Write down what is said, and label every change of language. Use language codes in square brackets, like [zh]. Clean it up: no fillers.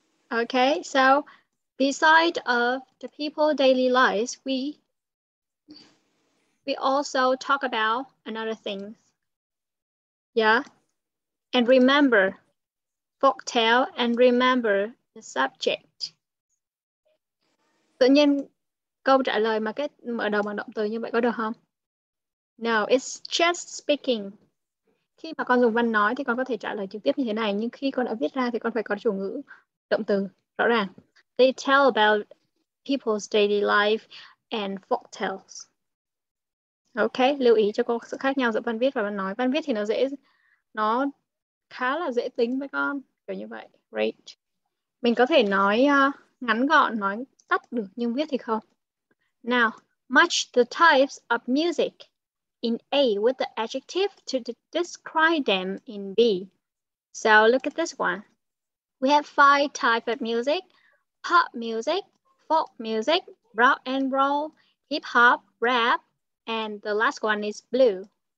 [en] Okay, so beside of the people daily lives, we also talk about another thing. Yeah, and remember folk tale and remember the subject. [vi] Tự nhiên câu trả lời mà cái mở đầu bằng động từ như vậy có được không? [en] No, it's just speaking. [vi] Khi mà con dùng văn nói thì con có thể trả lời trực tiếp như thế này, nhưng khi con đã viết ra thì con phải có chủ ngữ, động từ rõ ràng. [en] They tell about people's daily life and folk tales. [vi] Okay, lưu ý cho con sự khác nhau giữa văn viết và văn nói. Văn viết thì nó khá là dễ tính với con, kiểu như vậy. Right. Mình có thể nói ngắn gọn, nói tắt được, nhưng viết thì không. [en] Now, match the types of music in A with the adjective to describe them in B. So look at this one. We have five types of music: pop music, folk music, rock and roll, hip hop, rap, and the last one is blue.